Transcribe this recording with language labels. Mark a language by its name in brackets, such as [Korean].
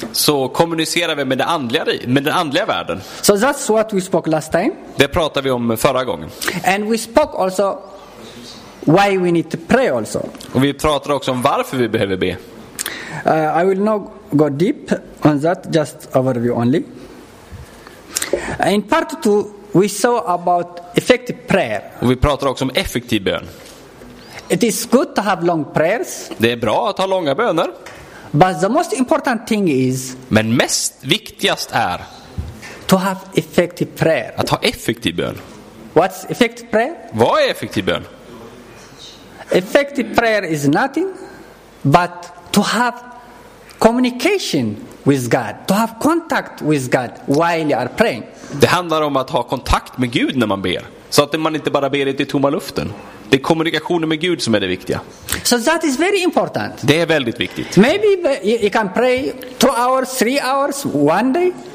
[Swedish] Så kommunicerar vi med den andliga världen. [English] So that's what we spoke last time. [Swedish] Det pratade vi om förra gången. [English] And we spoke also why we need to pray also. [Swedish] Och vi pratade också om varför vi behöver be. [English] I will not go deep on that, just overview only. In part 2 we saw about effective prayer. [Swedish] Och vi pratar också om effektiv bön. [English] It is good to have long prayers. [Swedish] Det är bra att ha långa böner. [English] But the most important thing is, [Swedish] men mest viktigast är, [English] to have effective prayer. [Swedish] Att ha effektiv bön. [English] What's effective prayer? [Swedish] Vad är effektiv bön? [English] Effective prayer is nothing but to have communication with God, to have contact with God while you are praying. [Swedish] Det handlar om att ha kontakt med Gud när man ber, så att man inte bara ber i tomma luften. Det är kommunikationen med Gud som är det viktiga. [English] So that is very important. [Swedish] Det är väldigt viktigt. [English] Maybe you can pray 2 hours, 3 hours, one day.